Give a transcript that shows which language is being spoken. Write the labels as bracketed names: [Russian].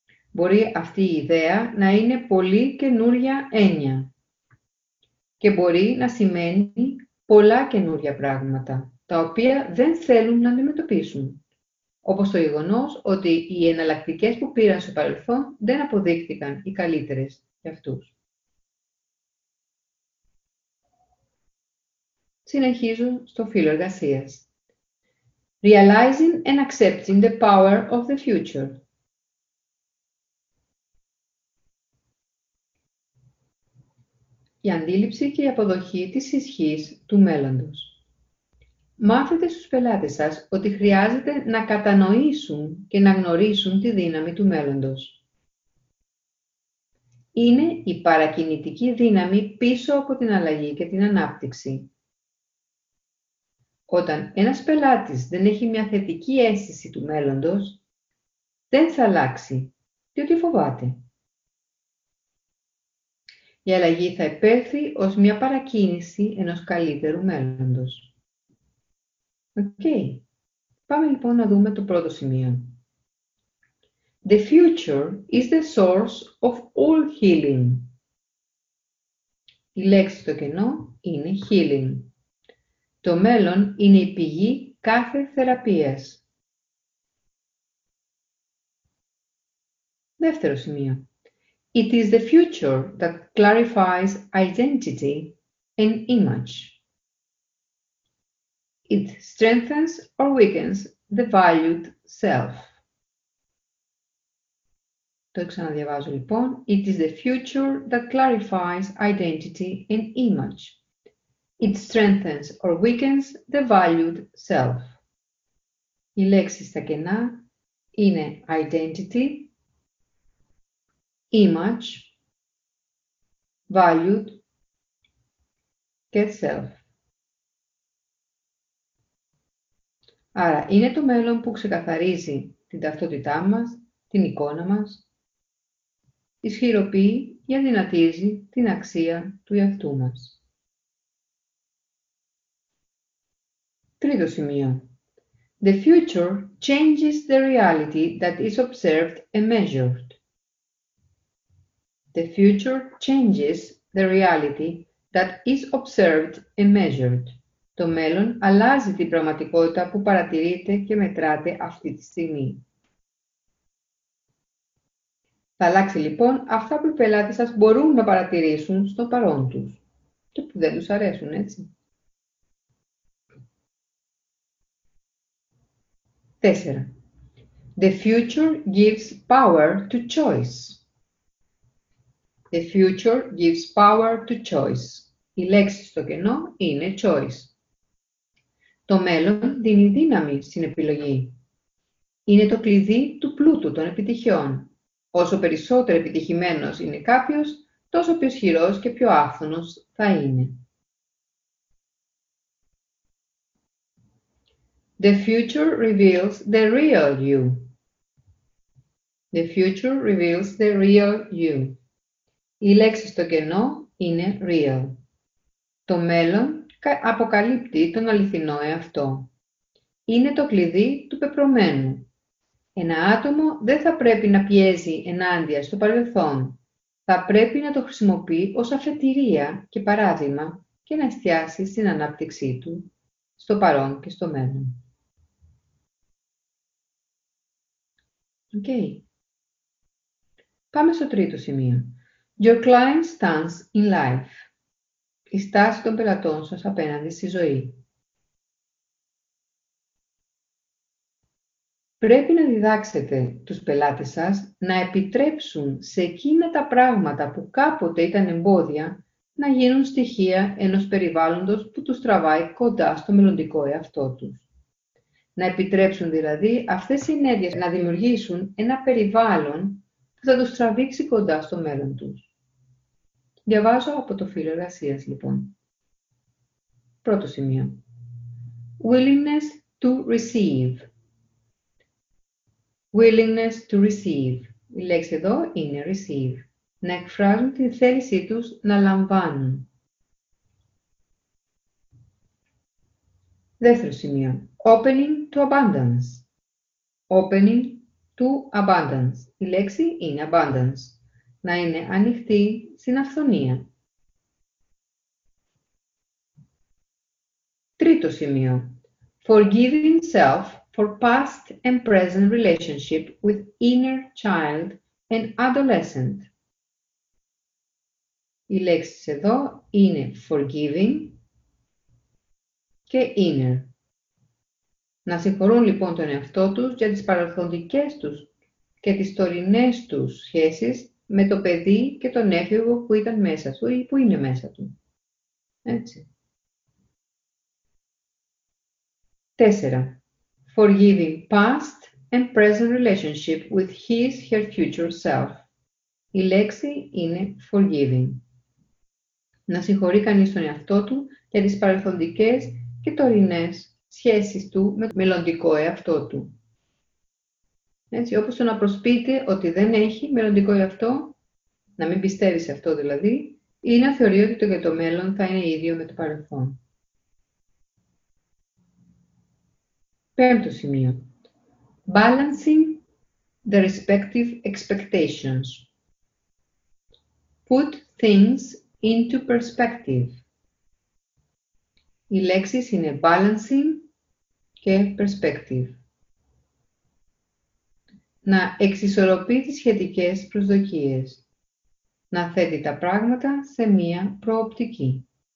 [Greek] Μπορεί αυτή η ιδέα να είναι πολύ καινούρια έννοια και μπορεί να σημαίνει πολλά καινούρια πράγματα, τα οποία δεν θέλουν να αντιμετωπίσουν. Όπως το γεγονός ότι οι εναλλακτικές που πήραν στο παρελθόν δεν αποδείχθηκαν οι καλύτερες για αυτούς. Συνεχίζω στο φύλλο εργασίας. [English] Realizing and accepting the power of the future. [Greek] Η αντίληψη και η αποδοχή της ισχύς του μέλλοντος. Μάθετε στους πελάτες σας ότι χρειάζεται να κατανοήσουν και να γνωρίσουν τη δύναμη του μέλλοντος. Είναι η παρακινητική δύναμη πίσω από την αλλαγή και την ανάπτυξη. Όταν ένας πελάτης δεν έχει μια θετική αίσθηση του μέλλοντος, δεν θα αλλάξει, διότι φοβάται. Η αλλαγή θα επέλθει ως μια παρακίνηση ενός καλύτερου μέλλοντος. Okay. Πάμε λοιπόν να δούμε το πρώτο σημείο. [English] The future is the source of all healing. [Greek] Η λέξη στο κενό είναι healing. Το μέλλον είναι η πηγή κάθε θεραπείας. Δεύτερο σημείο. [English] It is the future that clarifies identity and image. It strengthens or weakens the valued self. [Greek] Το ξαναδιαβάζω λοιπόν. [English] It is the future that clarifies identity and image. It strengthens or weakens the valued self. [Greek] Οι λέξεις στα κενά είναι identity, image, valued και self. Άρα, είναι το μέλλον που ξεκαθαρίζει την ταυτότητά μας, την εικόνα μας, ισχυροποιεί ή αδυνατίζει την αξία του εαυτού μας. Τρίτο σημείο. [English] The future changes the reality that is observed and measured. The future changes the reality that is observed and measured. [Greek] Το μέλλον αλλάζει την πραγματικότητα που παρατηρείται και μετράται αυτή τη στιγμή. Θα αλλάξει λοιπόν αυτά που οι πελάτες σας μπορούν να παρατηρήσουν στο παρόν τους. Το που δεν τους αρέσουν, έτσι. 4. [English] The future gives power to choice. The future gives power to choice. [Greek] Η λέξη στο κενό είναι choice. Το μέλλον δίνει δύναμη στην επιλογή. Είναι το κλειδί του πλούτου των επιτυχιών. Όσο περισσότερο επιτυχημένος είναι κάποιος, τόσο πιο ισχυρός και πιο άφθονος θα είναι. [English] The future reveals the real you. The future reveals the real you. [Greek] Η λέξη στο κενό είναι real. Το μέλλον αποκαλύπτει τον αληθινό εαυτό. Είναι το κλειδί του πεπρωμένου. Ένα άτομο δεν θα πρέπει να πιέζει ενάντια στο παρελθόν. Θα πρέπει να το χρησιμοποιεί ως αφετηρία και παράδειγμα και να εστιάσει στην ανάπτυξή του στο παρόν και στο μέλλον. Okay. Πάμε στο τρίτο σημείο. [English] Your client stance in life. [Greek] Η στάση των πελατών σας απέναντι στη ζωή. Πρέπει να διδάξετε τους πελάτες σας να επιτρέψουν σε εκείνα τα πράγματα που κάποτε ήταν εμπόδια να γίνουν στοιχεία ενός περιβάλλοντος που τους τραβάει κοντά στο μελλοντικό εαυτό τους. Να επιτρέψουν δηλαδή αυτές οι ενέργειες να δημιουργήσουν ένα περιβάλλον που θα τους τραβήξει κοντά στο μέλλον τους. Διαβάζω από το φύλλο εργασίας λοιπόν. Πρώτο σημείο. [English] Willingness to receive. Willingness to receive. [Greek] Η λέξη εδώ είναι receive. Να εκφράζουν την θέλησή τους να λαμβάνουν. Δεύτερο σημείο. [English] Opening to abundance. Opening to abundance. [Greek] Η λέξη είναι abundance. Να είναι ανοιχτή στην αυθονία. Τρίτο σημείο. [English] Forgiving self for past and present relationship with inner child and adolescent. [Greek] Οι λέξεις εδώ είναι forgiving και inner. Να συγχωρούν λοιπόν τον εαυτό τους για τις παρελθοντικές τους και τις τωρινές τους σχέσεις με το παιδί και τον έφηβο που ήταν μέσα του ή που είναι μέσα του. Έτσι. 4. [English] Forgiving past and present relationship with his/her future self. [Greek] Η λέξη είναι forgiving. Να συγχωρεί κανείς τον εαυτό του για τις παρελθοντικές και τωρινές σχέσεις του με το μελλοντικό εαυτό του. Έτσι, όπως το να προσποιείται ότι δεν έχει μελλοντικό εαυτό, να μην πιστεύει σε αυτό δηλαδή, ή να θεωρεί ότι το και το μέλλον θα είναι ίδιο με το παρελθόν. Πέμπτο σημείο. [English] Balancing the respective expectations. Put things into perspective. [Greek] Οι λέξεις είναι balancing και perspective. Να εξισορροπεί τις σχετικές προσδοκίες. Να θέτει τα πράγματα σε μία προοπτική.